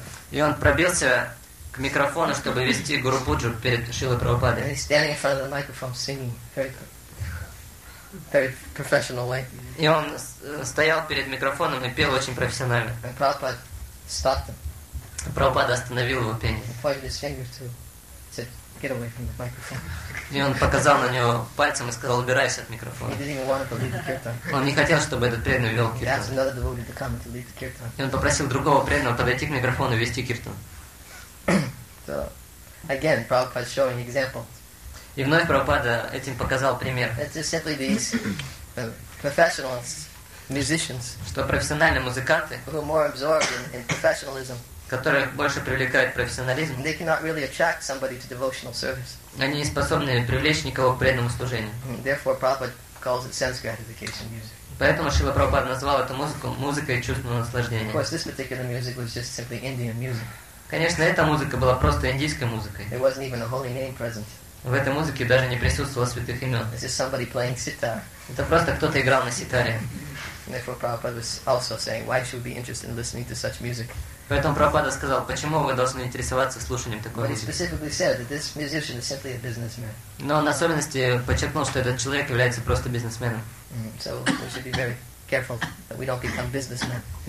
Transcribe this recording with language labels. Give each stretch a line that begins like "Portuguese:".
Russian: И он пробился к микрофону, чтобы вести Гуру Пуджу перед Шрилой Прабхупадой.
English: And he's standing in front of the microphone singing very professional way.
Russian: И он стоял перед микрофоном и пел очень профессионально.
English: And Prabhupada stopped him.
Russian: Прабхупада остановил его пение.
English: He pointed his finger to get away from the microphone.
Russian: И он показал на него пальцем и сказал: убирайся от микрофона.
English: He didn't even want to leave the kirtan.
Russian: Он не хотел, чтобы этот преданный вел киртан.
English: He asked another devotee to come and to lead the kirtan.
Russian: И он попросил другого преданного подойти к микрофону и вести киртан.
English: So, again, Prabhupada showing examples.
Russian: И вновь Прабхупада этим показал пример.
English: It's just simply these professionals, musicians,
Russian: что профессиональные музыканты,
English: who are more absorbed in professionalism,
Russian: которые больше привлекают профессионализм,
English: they cannot really attract somebody to devotional service.
Russian: Они не способны привлечь никого к преданному служению.
English: Therefore, Prabhupada calls it sense gratification music.
Russian: Поэтому Шрила Прабхупада назвал эту музыку музыкой чувственного наслаждения.
English: Of course, this particular music was just simply Indian music.
Russian: Конечно, эта музыка была просто индийской музыкой.
English: There wasn't even a holy name present.
Russian: В этой музыке даже не присутствовало святых имен.
English: It's just somebody playing sitar.
Russian: Это просто кто-то играл на ситаре.
English: Therefore, Prabhupada was also saying, why should we be interested in listening to such music?
Russian: Поэтому Прабхупада сказал, почему вы должны интересоваться слушанием такой музыки.
English: But he specifically said that this musician is simply a businessman.
Russian: Но он особенности подчеркнул, что этот человек является просто бизнесменом.
English: So we should be very careful that we don't become businessmen.